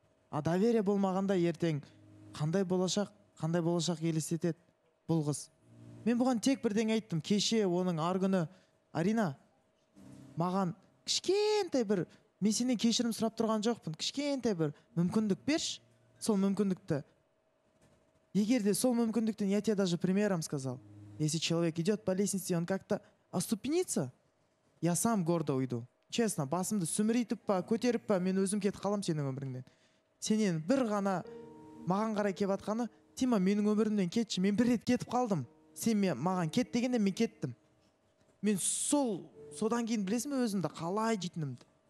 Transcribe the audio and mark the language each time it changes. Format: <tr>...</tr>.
<kk>А доверия болмағанда ертең қандай болашақ елестетеді бұл қыз. Мен бұған тек бірдеңе айттым, кеше оның ар күні Арина маған кішкентай бір, мен сенен кешірім сұрап тұрған жоқпын, кішкентай бір мүмкіндік берші, сол мүмкіндікті. Егер де сол мүмкіндіктен,</kk> <ru>я тебе даже примером сказал, если человек идет по лестнице, он как-то оступнится, я сам гордо уйду. Честно,</ru> <kk>басымды сүмірейтіп па, көтеріп па, мен өзім кетіп қалам сенің өміріңден. Сенен бір ғана маған қарай кеп атқаны, Тима, менің өмірімден кетші, мен бір рет кетіп қалдым. Сен мен маған кет дегенде мен кеттім. Мен сол, содан кейін білесің бе өзімді қалай жетінімді?</kk>